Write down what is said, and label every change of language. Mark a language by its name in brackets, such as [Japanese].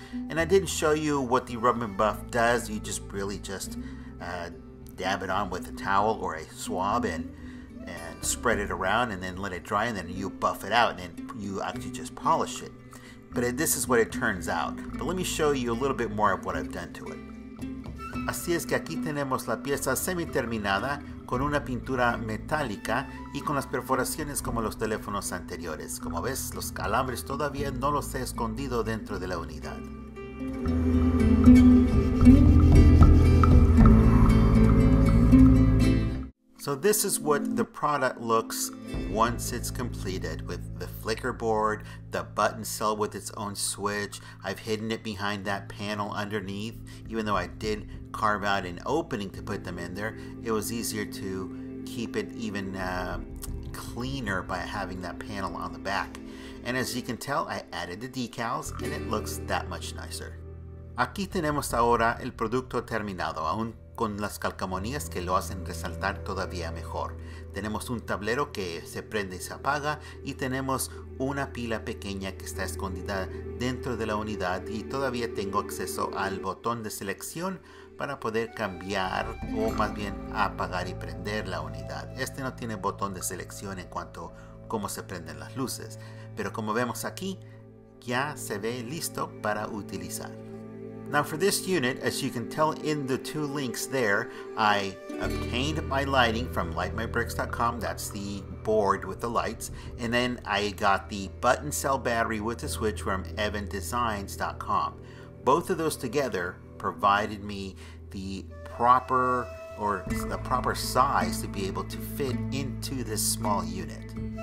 [English] And I didn't show you what the rub and buff does. You just really just dab it on with a towel or a swab and spread it around and then let it dry, and then you buff it out and then you actually just polish it. But this is what it turns out. But let me show you a little bit more of what I've done to it. [Spanish] Así es que aquí tenemos la pieza semi terminada con una pintura metálica y con las perforaciones como los teléfonos anteriores. Como ves, los alambres todavía no los he escondido dentro de la unidad. [English] So this is what the product looks once it's completed, with the flicker board, the button cell with its own switch. I've hidden it behind that panel underneath. Even though I did carve out an opening to put them in there, it was easier to keep it even cleaner by having that panel on the back. And as you can tell, I added the decals and it looks that much nicer. [Spanish] Aquí tenemos ahora el producto terminado, aún con las calcomanías que lo hacen resaltar todavía mejor. Tenemos un tablero que se prende y se apaga, y tenemos una pila pequeña que está escondida dentro de la unidad, y todavía tengo acceso al botón de selección para poder cambiar, o más bien apagar y prender la unidad. Este no tiene botón de selección en cuanto a cómo se prenden las luces, pero como vemos aquí, ya se ve listo para utilizar. [English] Now for this unit, as you can tell in the two links there, I obtained my lighting from lightmybricks.com. That's the board with the lights. And then I got the button cell battery with the switch from evandesigns.com. Both of those together provided me the proper size to be able to fit into this small unit.